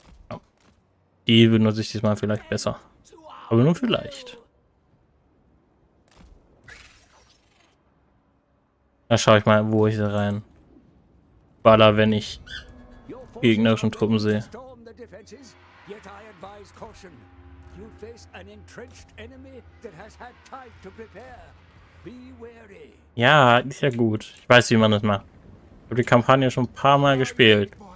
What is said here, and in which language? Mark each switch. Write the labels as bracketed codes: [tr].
[de] Ja. Die benutze ich diesmal vielleicht besser. Aber nur vielleicht. Da schaue ich mal, wo ich sie rein. Baller, wenn ich... gegnerischen Truppen sehe. [en] Yet I advise caution. You face an entrenched enemy that has had time to prepare. Be wary. [de] Ja, ist ja gut. Ich weiß, wie man das macht. Ich habe die Kampagne schon ein paar Mal gespielt.